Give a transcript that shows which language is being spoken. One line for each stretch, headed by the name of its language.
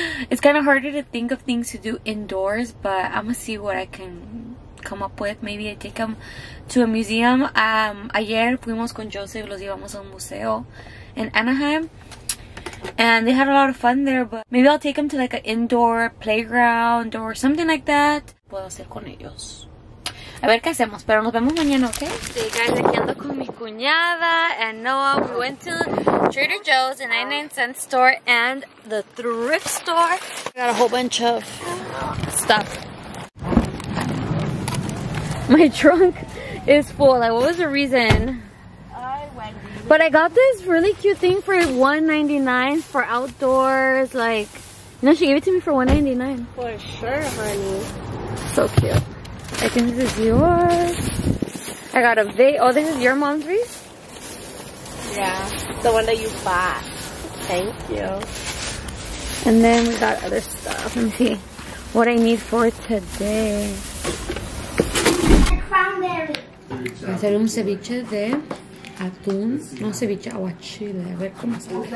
English: It's kind of harder to think of things to do indoors, but I'm gonna see what I can come up with. Maybe I take them to a museum.
Spanish: Ayer fuimos con Joseph, los llevamos a un museo en Anaheim.
English: And they had a lot of fun there, but maybe I'll take them to like an indoor playground or something like that.
Spanish: Puedo hacer con ellos. A ver qué hacemos, pero nos vemos mañana, ¿ok? Sí, guys, aquí ando con mi cuñada and Noah.
English: We went to Trader Joe's, the 99-cent store, and the thrift store. I got a whole bunch of stuff. My trunk is full. Like, what was the reason? But I got this really cute thing for $1.99 for outdoors, like, you know, she gave it to me for $1.99. For sure, honey. So cute. I think this is yours. I got a vase. Oh, this is your mom's vase? Yeah, the one that you bought. Thank you. And then we got other stuff. Let me see what I need for today. I found there.
Spanish: Vamos a hacer un ceviche de... Atún, no ceviche, agua chile, a ver cómo está.